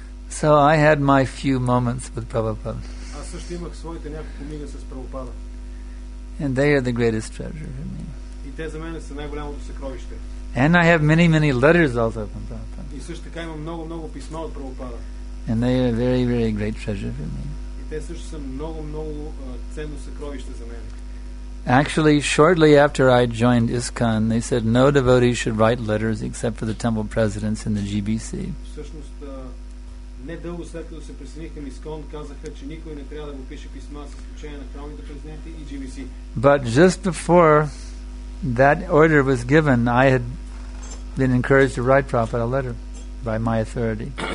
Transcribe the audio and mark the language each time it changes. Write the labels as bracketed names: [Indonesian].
[English] So I had my few moments with Prabhupada. [Bulgarian] Аз също имах своите няколко мига с Прабхупада. [English] And they are the greatest treasure for me. [Bulgarian] И те за мен са най-голямото съкровище. [English] And I have many, many letters also from Prabhupada. [Bulgarian] И също така имам много, много писма от Прабхупада. [English] And they are a very, very great treasure for me. [Bulgarian] И те също са много, много ценно съкровище за мен. [English] Actually, shortly after I joined ISKCON, they said no devotees should write letters except for the temple presidents in the GBC. [Bulgarian] Всъщност, недълго след като се присъединих към ISKCON, казаха, че никой не трябва да го пише писма с изключение на храмовите президенти и GBC. [English] But just before that order was given, I had been encouraged to write Prabhupada a letter by my authority.